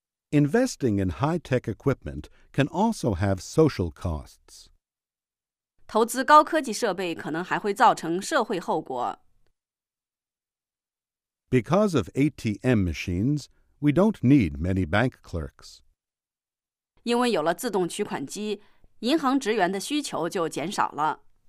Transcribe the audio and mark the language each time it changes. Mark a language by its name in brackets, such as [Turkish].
[English] Investing in high-tech equipment can also have social costs. [Chinese] 投资高科技设备可能还会造成社会后果。 [English] Because of ATM machines, we don't need many bank clerks. [Chinese] 因为有了自动取款机，银行职员的需求就减少了。